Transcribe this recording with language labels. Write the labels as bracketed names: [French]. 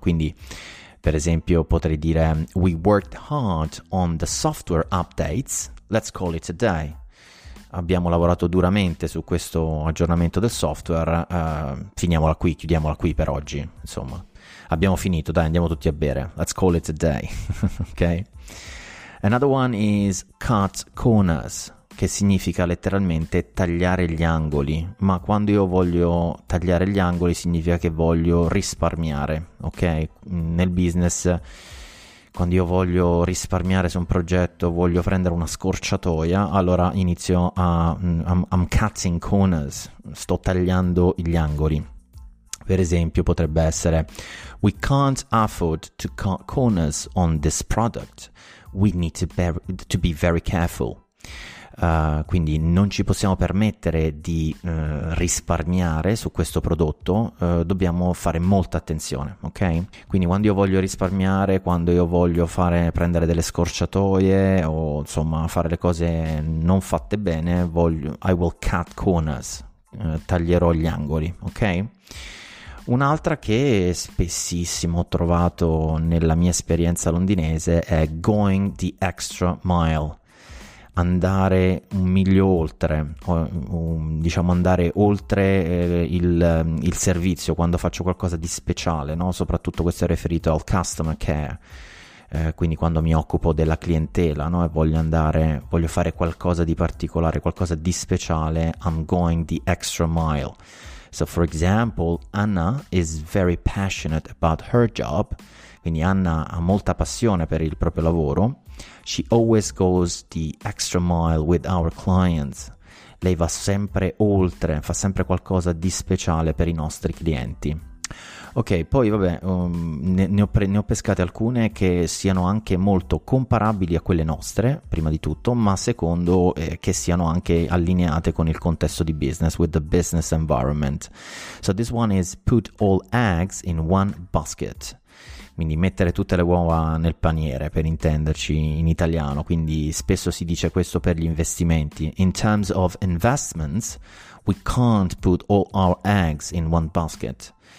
[Italian] Quindi per esempio potrei dire [English] we worked hard on the software updates, let's call it a day. [Italian] Abbiamo lavorato duramente su questo aggiornamento del software, finiamola qui, chiudiamola qui per oggi, insomma. Abbiamo finito, dai, andiamo tutti a bere. [English] Let's call it a day. Okay. Another one is cut corners, [Italian] che significa letteralmente tagliare gli angoli, ma quando io voglio tagliare gli angoli significa che voglio risparmiare, ok? Nel business, quando io voglio risparmiare su un progetto, voglio prendere una scorciatoia, allora inizio a [English] I'm cutting corners, [Italian] sto tagliando gli angoli. Per esempio potrebbe essere: [English] we can't afford to cut corners on this product, we need to be very careful. [Italian] Quindi non ci possiamo permettere di risparmiare su questo prodotto, dobbiamo fare molta attenzione, ok? Quindi quando io voglio risparmiare, quando io voglio prendere delle scorciatoie o insomma fare le cose non fatte bene, [English] I will cut corners, [Italian] taglierò gli angoli, ok? Un'altra che spessissimo ho trovato nella mia esperienza londinese è [English] going the extra mile, [Italian] andare un miglio oltre, diciamo andare oltre il servizio quando faccio qualcosa di speciale, no? Soprattutto questo è riferito al customer care, quindi quando mi occupo della clientela, no? E voglio fare qualcosa di particolare, qualcosa di speciale, [English] I'm going the extra mile. So for example, Anna is very passionate about her job. [Italian] Quindi Anna ha molta passione per il proprio lavoro. [English] She always goes the extra mile with our clients. [Italian] Lei va sempre oltre, fa sempre qualcosa di speciale per i nostri clienti. Ok, poi vabbè, ne ho pescate alcune che siano anche molto comparabili a quelle nostre, prima di tutto, ma secondo che siano anche allineate con il contesto di business, [English] with the business environment. So this one is put all eggs in one basket. [Italian] Quindi mettere tutte le uova nel paniere, per intenderci in italiano. Quindi spesso si dice questo per gli investimenti. [English] In terms of investments, we can't put all our eggs in one basket.